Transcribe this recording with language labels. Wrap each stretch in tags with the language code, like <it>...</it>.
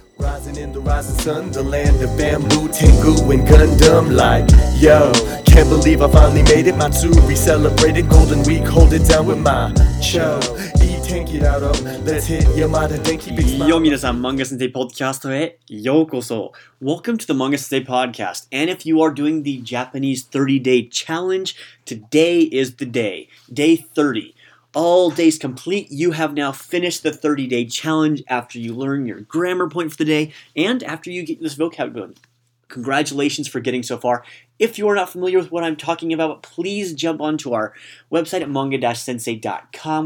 <en>Rising in the rising sun, the land of bamboo, Tengu and Gundam, like, yo, can't believe I finally made it, Matsuri celebrated, golden week, hold it down with my cho, eat, can't get out of, let's hit Yamada, thank you, big smile.</en> <ja>Yo, 皆さん、漫画先生ポッドキャストへようこそ。</ja> <en>Welcome to the Manga Sensei Podcast. And if you are doing the Japanese 30-day challenge, today is the day, day 30. All days complete, you have now finished the 30-day challenge after you learn your grammar point for the day and after you get this vocab going. Congratulations for getting so far. If you are not familiar with what I'm talking about, please jump onto our website at manga-sensei.com.</en>